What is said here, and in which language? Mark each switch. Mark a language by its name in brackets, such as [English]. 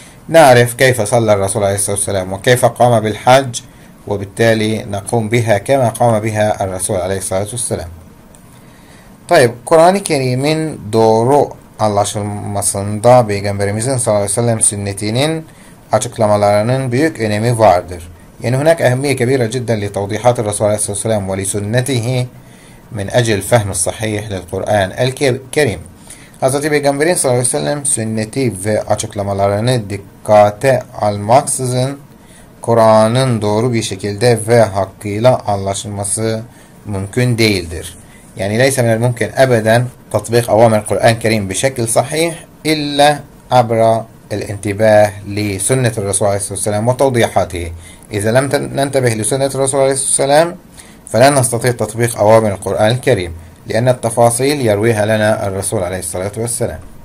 [Arabic] نعرف كيف صلى الرسول عليه الصلاة والسلام وكيف قام بالحج وبالتالي نقوم بها كما قام بها الرسول عليه الصلاة والسلام طيب قرآن كريم [Turkish] دورو anlaşılmasında Peygamberimizin sallallahu aleyhi ve sellem sünnetinin açıklamalarının büyük önemi vardır. [Arabic] Yani هناك أهمية كبيرة جدا لتوضيحات الرسول عليه الصلاة والسلام ولسنته من أجل فهم الصحيح للقرآن الكريم. [Turkish] Hazreti Peygamberin sallallahu aleyhi ve sellem sünneti ve açıklamalarını dikkate almaksızın Kur'an'ın doğru bir şekilde ve hakkıyla anlaşılması mümkün değildir. [Arabic] Yani ليس من الممكن أبدا تطبيق أوامر القرآن الكريم بشكل صحيح إلا عبر الانتباه لسنة الرسول عليه الصلاة والسلام وتوضيحاته. إذا لم ننتبه لسنة الرسول عليه الصلاة والسلام فلا نستطيع تطبيق أوامر القرآن الكريم لأن التفاصيل يرويها لنا الرسول عليه الصلاة والسلام.